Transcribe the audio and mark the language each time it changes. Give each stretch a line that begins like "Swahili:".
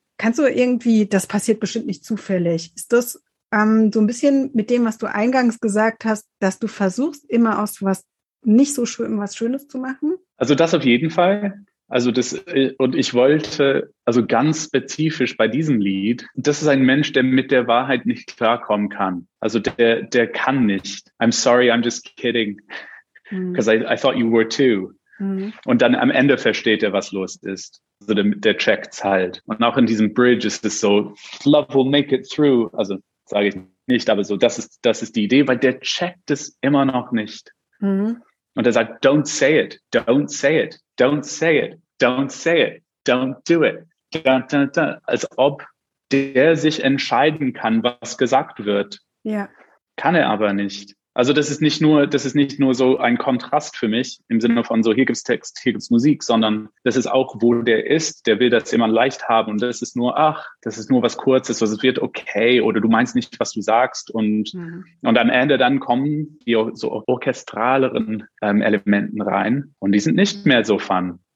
German: Kannst du irgendwie, das passiert bestimmt nicht zufällig. Ist das so ein bisschen mit dem, was du eingangs gesagt hast, dass du versuchst, immer aus was nicht so schön, was Schönes zu machen? Also das auf jeden Fall. Also das, und ich wollte, also ganz spezifisch bei diesem Lied, das ist ein Mensch, der mit der Wahrheit nicht klarkommen kann. Also der kann nicht.
English: I'm sorry, I'm just kidding. Because I thought you were too. Mhm.
German: Und dann am Ende versteht er, was los ist. Also der checkt's halt. Und auch in diesem Bridge ist es so,
English: love will make it through.
German: Also sage ich nicht, aber so, das ist die Idee, weil der checkt es immer noch nicht. Mhm. Und er sagt,
English: don't say it, don't say it. Don't say it, don't say it, don't do it. Dun, dun, dun.
German: Als ob der sich entscheiden kann, was gesagt wird. Ja. Kann er aber nicht. Also das ist nicht nur so ein Kontrast für mich, im Sinne von so, hier gibt's Text, hier gibt's Musik, sondern das ist auch, wo der ist, der will das immer leicht haben und das ist nur, ach, das ist nur was Kurzes, was, es wird okay oder du meinst nicht, was du sagst und am Ende dann kommen die so orchestraleren Elementen rein und die sind nicht mehr so fun. Mhm.